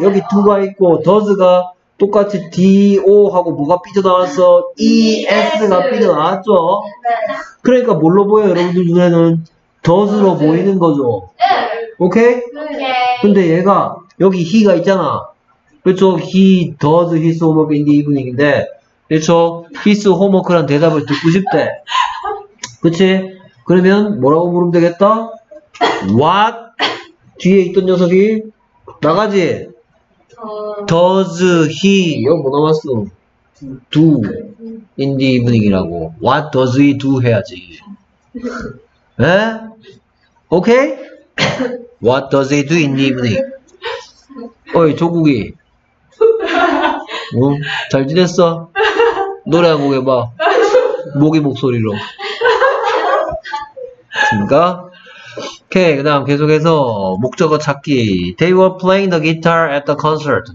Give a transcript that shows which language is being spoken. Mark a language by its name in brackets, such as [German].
[Korean] 여기 두가 있고, Does가 똑같이 D5하고 뭐가 삐져나왔어? ES가 삐져나왔죠? 그러니까 뭘로 보여, 여러분들 눈에는? Does로 보이는 거죠? 네. 오케이? 오케이. 근데 얘가, 여기 He가 있잖아. 그쵸? [English] He does his homework in the evening인데, [Korean] 그쵸? [English] His homework [Korean] 란 대답을 듣고 싶대. 그치? 그러면 뭐라고 부르면 되겠다? What? 뒤에 있던 녀석이? 나가지? [English] Does he? [Korean] 여기 뭐 남았어? [English] Do in the evening이라고. What does he do [Korean] 해야지. 에? [English] Okay? What does he do in the evening? [Korean] 어이, [English] 조국이. [Korean] 응? 잘 지냈어? 노래 한 곡 해봐. 모기 목소리로. 됐습니까? 오케이, 그 다음 계속해서 목적어 찾기. [English] They were playing the guitar at the concert.